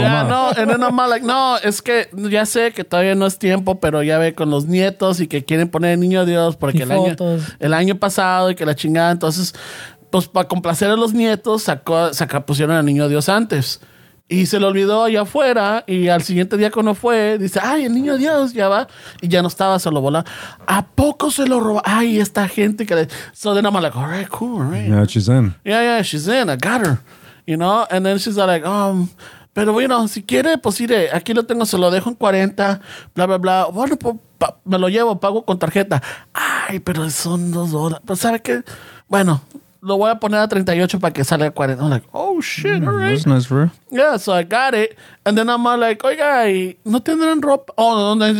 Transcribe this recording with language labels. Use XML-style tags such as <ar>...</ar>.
<en>Yeah, no. And then I'm like,</en> <es>no, es que ya sé que todavía no es tiempo, pero ya ve con los nietos y que quieren poner el niño Dios porque el año pasado y que la chingada. Entonces, pues para complacer a los nietos, pusieron al niño Dios antes. Y se le olvidó allá afuera y al siguiente día cuando fue, dice, ay, el niño Dios, ya va. Y ya no estaba, se lo voló. ¿A poco se lo robó? Ay, esta gente que le...</es> <en>So then I'm like, all right, cool, all right. Yeah, she's in. Yeah, she's in. I got her, you know? And then she's like,</en> <es>pero bueno, si quiere, pues iré. Aquí lo tengo, se lo dejo en 40, bla, bla, bla. Bueno, pues me lo llevo, pago con tarjeta. Ay, pero son $2. Pero ¿sabe qué? Bueno... Lo voy a poner a 38 para que salga a 40.</es> <en>I'm like, oh, shit, all right. That's nice, bro. Yeah, so I got it. And then I'm all like,</en> <es>oiga, ¿no tendrán ropa?</es> <en>Oh, no, no.</en>